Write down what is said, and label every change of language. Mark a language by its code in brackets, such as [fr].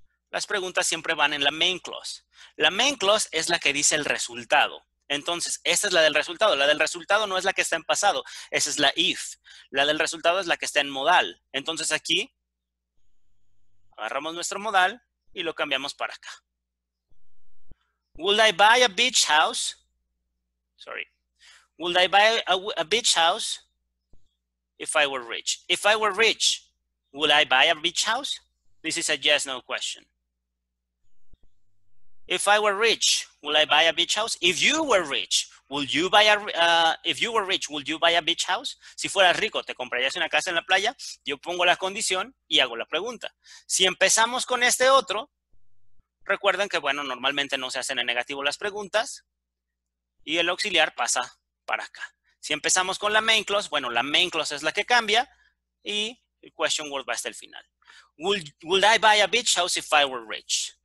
[es] Las preguntas siempre van en la main clause. La main clause es la que dice el resultado. Entonces, esta es la del resultado. La del resultado no es la que está en pasado. Esa es la if. La del resultado es la que está en modal. Entonces, aquí agarramos nuestro modal y lo cambiamos para acá. [en] Would I buy a beach house? Sorry. Would I buy a beach house if I were rich? If I were rich, would I buy a beach house? This is a yes-no question. If I were rich, would I buy a beach house? If you were rich, would you buy a if you were rich, would you buy a beach house? [es] Si fueras rico, ¿te comprarías una casa en la playa? Yo pongo la condición y hago la pregunta. Si empezamos con este otro, recuerden que bueno, normalmente no se hacen en negativo las preguntas y el auxiliar pasa para acá. Si empezamos con la main clause, bueno, la main clause es la que cambia y el question word va hasta el final. [en] Would I buy a beach house if I were rich?